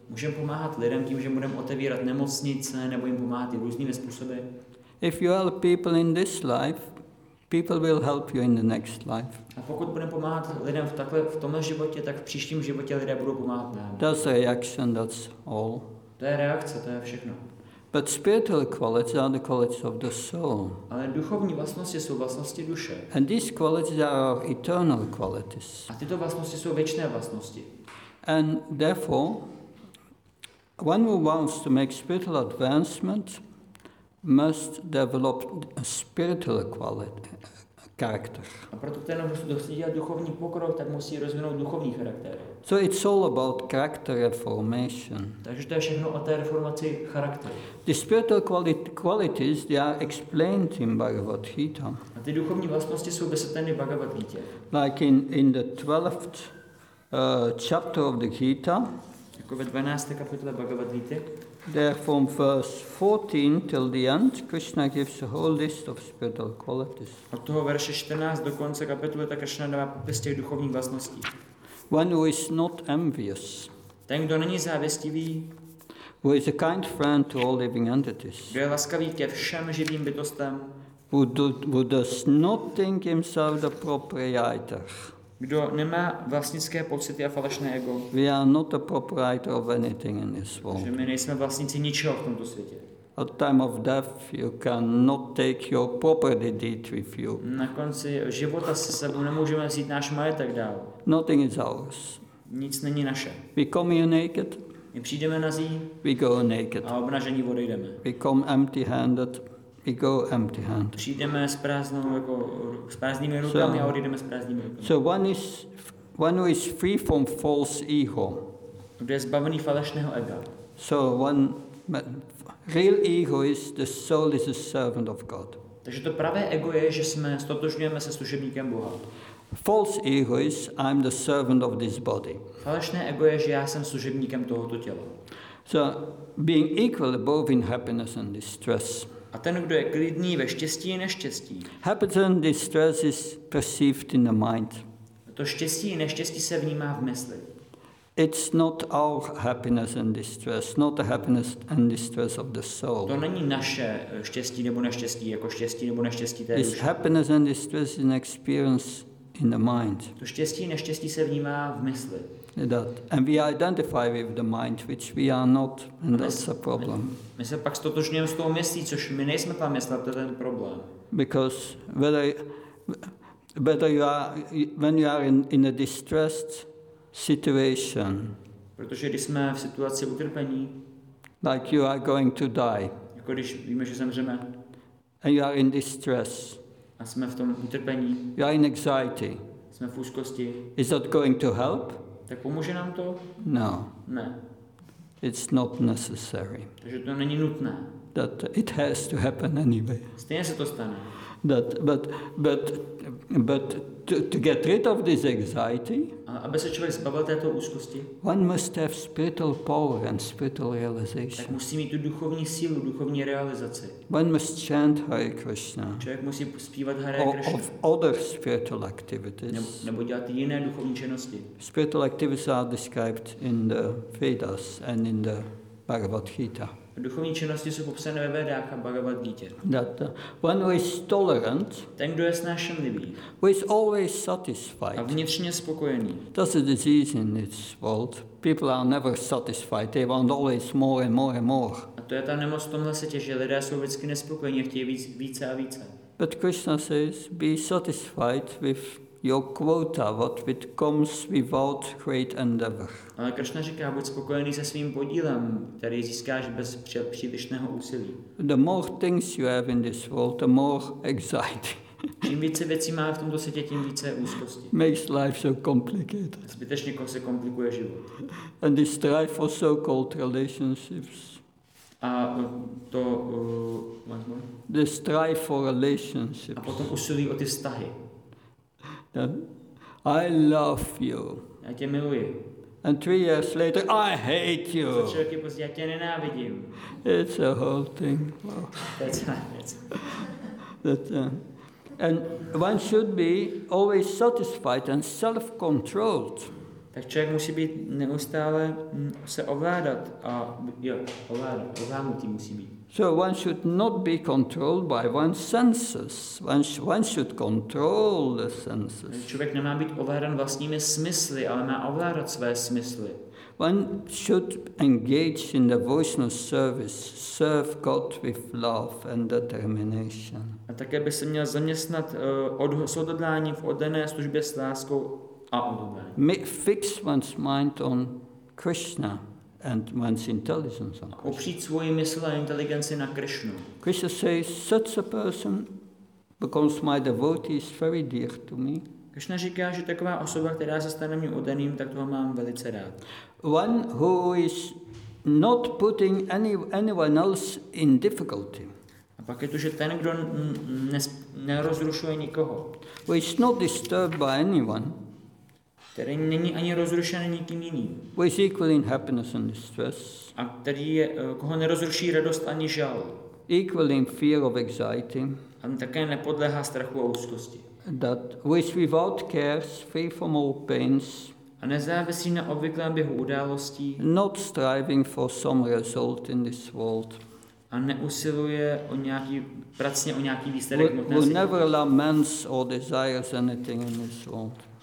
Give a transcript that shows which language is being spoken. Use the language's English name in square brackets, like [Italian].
[Czech] Můžeme pomáhat lidem tím, že budeme otevírat nemocnice nebo jim pomáhat i různými způsoby. [English] If you help people in this life, people will help you in the next life. [Czech] A pokud budeme pomáhat lidem v tomhle životě, tak v příštím životě lidé budou pomáhat nám. [English] That's a reaction, that's all. [Czech] To je reakce, to je všechno. [English] But spiritual qualities are the qualities of the soul. [Czech] Ale duchovní vlastnosti jsou vlastnosti duše. [English] And these qualities are eternal qualities. [Czech] A tyto vlastnosti jsou věčné vlastnosti. [English] And therefore, one who wants to make spiritual advancement must develop a spiritual quality, a character. [Czech] A proto ten, kdo chce dělat duchovní pokrok, tak musí rozvinout duchovní charakter. [English] So it's all about character reformation. [Czech] Takže to je všechno o té reformaci charakteru. [English] The spiritual qualities, they are explained in Bhagavad Gita. [Czech] A ty duchovní vlastnosti jsou vysvětleny v Bhagavad Gita. [English] Like in the 12th chapter of the Gita. [Czech] Jako ve 12. kapitole Bhagavad Gita. [English] There from verse 14 till the end, Krishna gives a whole list of spiritual qualities. [Czech] Od toho verše 14 do konce kapitoly tak Krishna dává popis těch duchovních vlastností. [English] One who is not envious. [Czech] Ten, kdo není závistivý. [English] Who is a kind friend to all living entities. [Czech] Kdo je laskavý ke všem živým bytostem. [English] Who does not think himself the proprietor. [Czech] Kdo nemá vlastnické pocity a falešné ego. [English] We are not the proprietor of anything in this world. [Czech] Že my nejsme vlastníci ničeho v tomto světě. [English] At time of death you cannot take your property deed with you. [Czech] Na konci života se sebou nemůžeme vzít náš majetek dál. [English] Nothing is ours. [Czech] Nic není naše. [English] We come here naked. [Czech] My přijdeme nazí. [English] We go naked. [Czech] A obnažení odejdeme. [English] We come empty-handed. We go empty-handed. [Czech] Přijdeme s prázdnou, jako, s prázdnými rukami a odejdeme s prázdnými rukami. [English] So one who is free from false ego. [Czech] Kdo je zbavený falešného ega. [English] So one real ego is the soul is a servant of God. [Czech] Takže to pravé ego je, že jsme stotožňujeme se služebníkem Boha. [English] False ego is I'm the servant of this body. [Czech] Falešné ego je, že já jsem služebníkem tohoto těla. [English] So being equal both in happiness and distress. [Czech] A ten, kdo je klidný ve štěstí i neštěstí. [English] Happiness and distress is perceived in the mind. [Czech] To štěstí i neštěstí se vnímá v mysli. [English] It's not our happiness and distress, not the happiness and distress of the soul. [Czech] To není naše štěstí nebo neštěstí, jako štěstí nebo neštěstí té duše. [English] Happiness and distress is an experience in the mind. [Czech] To štěstí i neštěstí se vnímá v mysli. [English] That. And we identify with the mind, which we are not, and that's a problem. [Czech] My se pak stotožňujeme s tou myslí, což my nejsme ta mysl, to je ten problém. [English] Because whether you are, when you are in a distressed situation. [Czech] Protože když jsme v situaci utrpení. [English] Like you are going to die. [Czech] Jako když víme, že zemřeme. [English] And you are in distress. [Czech] A jsme v tom utrpení. [English] You are in anxiety. [Czech] Jsme v úzkosti. [English] Is that going to help? [Czech] Tak pomůže nám to? [English] No. [Czech] Ne. [English] It's not necessary. [Czech] Takže to není nutné. [English] That it has to happen anyway. [Czech] Stejně se to stane. [English] But to get rid of this anxiety. [Czech] A aby se člověk zbavil této úzkosti. [English] One must have spiritual power and spiritual realization. [Czech] Tak musí mít tu duchovní sílu, duchovní realizaci. [English] One must chant Hare Krishna. [Czech] Člověk musí zpívat Hare Krishna. [English] Of other spiritual activities. [Czech] Nebo dělat jiné duchovní činnosti. [English] Spiritual activities are described in the Vedas and in the Bhagavad Gita. [Czech] Duchovní činnosti jsou popsané ve Vedách a Bhagavad Gita. [English] That one who is tolerant, [Czech] ten, kdo je snášenlivý, [English] who is always satisfied, [Czech] a vnitřně spokojený. [English] That's a disease in this world. People are never satisfied. They want always more and more and more. [Czech] A to je ta nemoc v tomhle světě, že lidé jsou vždycky nespokojení a chtějí více a více. [English] But Krishna says, be satisfied with your quota, what it comes without great endeavor. [Czech] Ale Krishna říká, buď spokojený se svým podílem, který získáš bez přílišného úsilí. [English] The more things you have in this world, the more anxiety. [Czech] Čím více věcí má v tomto světě, tím více úzkosti. [English] Makes life so complicated. [Czech] Zbytečně se komplikuje život. [English] And this strife for so-called relationships. [Czech] A to, [English] once more. The strife for relationships. [Czech] A potom úsilí o ty vztahy. [English] Then, I love you. [Czech] Já tě miluji. [English] And 3 years later, I hate you. [Czech] Za čtyři roky později, já tě nenávidím. [English] It's a whole thing. Wow. And one should be always satisfied and self-controlled. [Czech] Tak člověk musí být neustále se ovládat a jo, ovládnutý musí být. [English] So one should not be controlled by one's senses. One should control the senses. [Czech] Člověk nemá být ovládán vlastními smysly, ale má ovládat své smysly. [English] One should engage in devotional service, serve God with love and determination. [Czech] A také by se měl zaměstnat s odhodláním v oddané službě s láskou a odhodláním. [English] Fix one's mind on Krishna. And one's intelligence on Krishna. [Czech] Opřít svoji mysl a inteligenci na Krishnu. [English] Krishna says, such a person becomes my devotee is very dear to me. [Czech] Krishna říká, že taková osoba, která se stane mým oddaným, tak toho mám velice rád. [English] One who is not putting anyone else in difficulty. [Czech] A pak je to, že ten, kdo nerozrušuje nikoho. [English] Who is not disturbed by anyone. [Czech] Který není ani rozrušený nikým jiným. [English] Who is equal in happiness and distress. [Czech] A který je, koho nerozruší radost ani žal. [English] Equal in fear of anxiety. [Czech] A také nepodléhá strachu a úzkosti. [English] That who is without cares, free from all pains. [Czech] A nezávisí na obvyklém běhu událostí. [English] Not striving for some result in this world. [Czech] A neusiluje o nějaký, pracně o nějaký výsledek. [English] Who never laments or desires anything in this world.